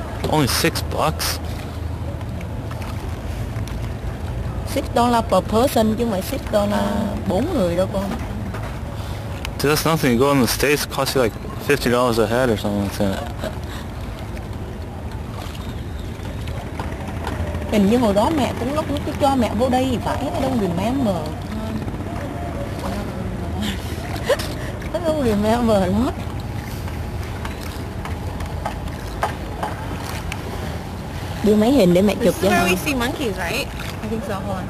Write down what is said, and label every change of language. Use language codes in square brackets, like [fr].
[en] Only $6? $6 per person, [vi] chứ không phải $6 4 người đâu con. [en] Dude, that's nothing. You go in the States, it costs you like $50 a head or something like that. [vi] Hình như hồi đó mẹ cũng lúc lúc cho mẹ vô đây phải, [en] I don't remember. I don't remember [vi] lắm. Đưa máy hình để mẹ chụp cho. [en] This is where we see monkeys, right? I think so, hold on.